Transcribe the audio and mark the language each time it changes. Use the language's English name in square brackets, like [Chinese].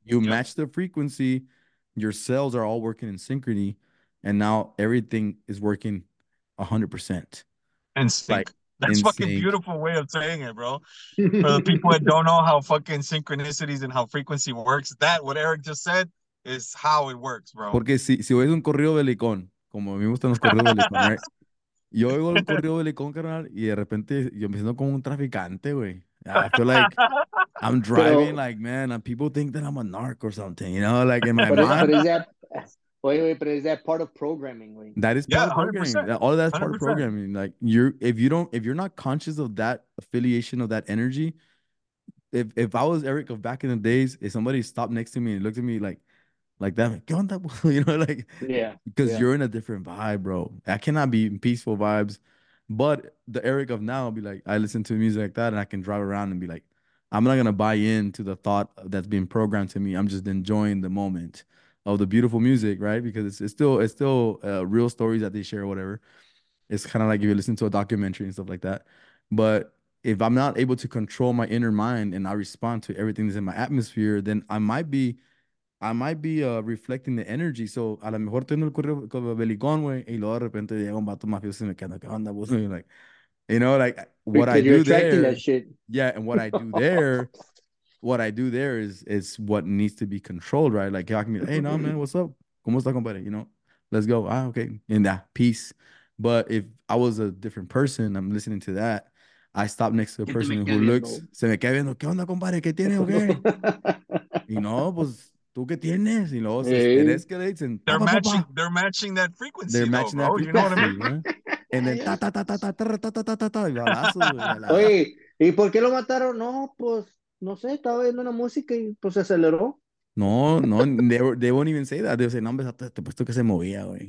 [English] Match the frequency, your cells are all working in synchrony, and now everything is working 100% in sync. Like, that's in fucking sync. Beautiful way of saying it, bro. For the people that don't know how fucking synchronicities and how frequency works, that what Eric just said is how it works, bro. [Spanish] Porque si oyes un corrido belicón, como a mí me gustan los corridos belicón, right? Yo oigo un corrido belicón, carnal, y de repente yo me siento como un traficante, güey. [English] I feel like I'm driving, pero, like, man, and people think that I'm a narc or something, you know, like in my mind. But is that part of programming? Like? That is part of programming. All of that's part of programming. Like, if you're not conscious of that affiliation of that energy, if I was Eric of back in the days, if somebody stopped next to me and looked at me like that, like, on that, you know, like, because you're in a different vibe, bro. I cannot be in peaceful vibes. But the Eric of now will be like, I listen to music like that and I can drive around and be like, I'm not going to buy into the thought that's being programmed to me. I'm just enjoying the moment of the beautiful music, right? Because it's still real stories that they share or whatever. It's kind of like if you listen to a documentary and stuff like that. But if I'm not able to control my inner mind and I respond to everything that's in my atmosphere, then I might be reflecting the energy. [Spanish] So, a lo mejor tengo el correo belicón, güey, y luego de repente llega un vato mafioso y me queda, ¿qué onda, vos? [English] Like, you know, like, what I do there. That shit. Yeah, and what I do there, what I do there is what needs to be controlled, right? Like, y'all can be like, hey, no, man, what's up? [Spanish] ¿Cómo está, compadre? [English] You know, let's go. Ah, okay. And that peace. But if I was a different person, I'm listening to that, I stop next to a person who looks, [Spanish] se me queda viendo, ¿qué onda, compadre? ¿Qué tiene, [English] okay? You know, [Spanish] pues, ¿tú qué tienes? [English] You know, it escalates and they're matching that frequency. They're matching that frequency. You know what I mean? And then ta-ta-ta-ta-ta-ta-ta-ta-ta-ta. [Spanish] Oye, ¿y por qué lo mataron? No, pues, no sé, estaba viendo una música y pues se aceleró. [English] No, they won't even say that. They'll say, [Spanish] no, hombre, te puesto que se movía, güey.